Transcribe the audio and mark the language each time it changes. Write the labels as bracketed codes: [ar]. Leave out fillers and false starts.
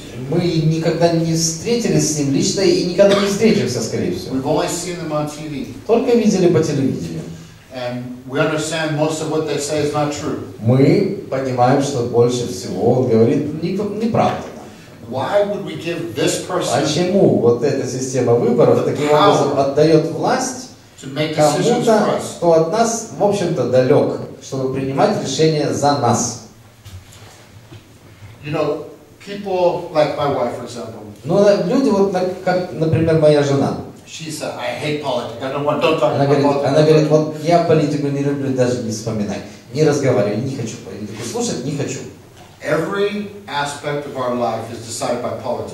[ru] Мы никогда не встретились с ним лично и никогда не встретимся, скорее всего. [en] We've only seen them on TV. [ru] Только видели по телевидению. [en] And we understand most of what they say is not true. [ru] Мы понимаем, что больше всего он говорит неправду. [en] Why would we give this person? [ru] Почему вот эта система выборов таким образом отдает власть? [en] To make decisions for us. [ru] Кто от нас, в общем-то, далек, чтобы принимать решения за нас. [en] You know, people like my wife, for example. [ru] Ну, люди, вот как, например, моя жена. [en] She said, I hate politics. Don't talk about politics. [ru] Она говорит, вот я политику не люблю, даже не вспоминай. Не разговаривай, не хочу политику слушать, не хочу. [en] Every aspect of our life is decided by politics.